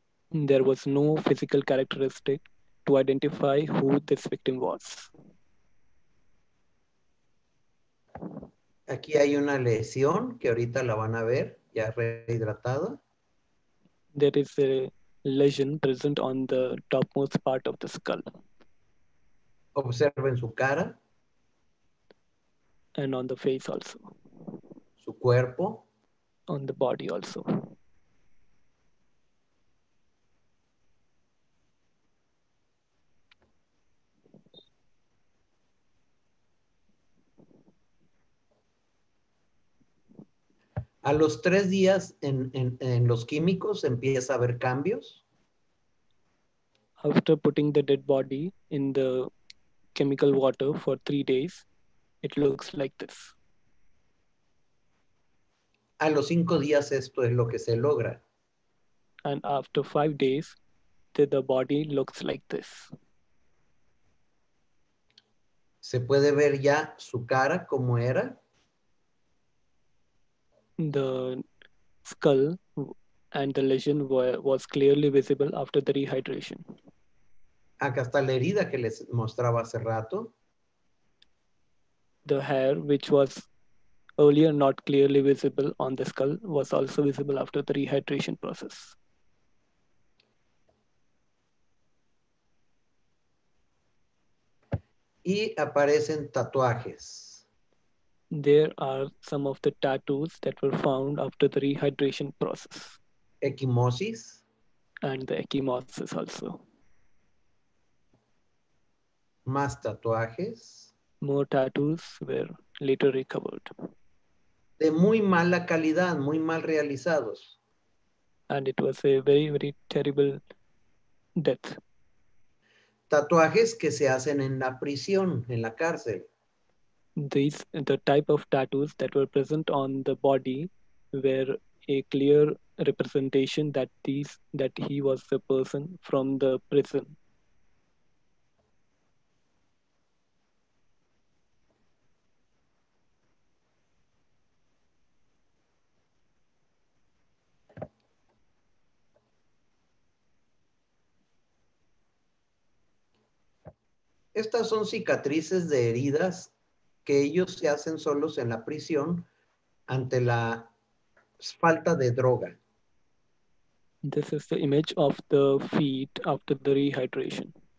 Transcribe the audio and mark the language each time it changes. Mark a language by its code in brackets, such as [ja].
[en] There was no physical characteristic to identify who this victim was. [es] Aquí hay una lesión que ahorita la van a ver, ya rehidratada. [en] There is a lesion present on the topmost part of the skull. [es] Observen su cara. [en] And on the face also. [es] Su cuerpo. [en] On the body also. [es] A los tres días en los químicos empieza a haber cambios. [en] After putting the dead body in the chemical water for 3 days, it looks like this. [es] A los 5 días esto es lo que se logra. [en] And after 5 days, the body looks like this. [es] Se puede ver ya su cara como era. [en] The skull and the lesion was clearly visible after the rehydration. [es] Acá está la herida que les mostraba hace rato. [en] The hair, which was earlier not clearly visible on the skull, was also visible after the rehydration process. [es] Y aparecen tatuajes. [en] There are some of the tattoos that were found after the rehydration process. [es] Ecchymosis. [en] And the ecchymosis also. [es] Más tatuajes. [en] More tattoos were later recovered. [es] De muy mala calidad, muy mal realizados. [en] And it was a very, very terrible death. [es] Tatuajes que se hacen en la prisión, en la cárcel. [en] These, the type of tattoos that were present on the body were a clear representation that these, that he was the person from the prison. [es] Estas son cicatrices de heridas que ellos se hacen solos en la prisión ante la falta de droga. [en] This is the image of the feet after the rehydration.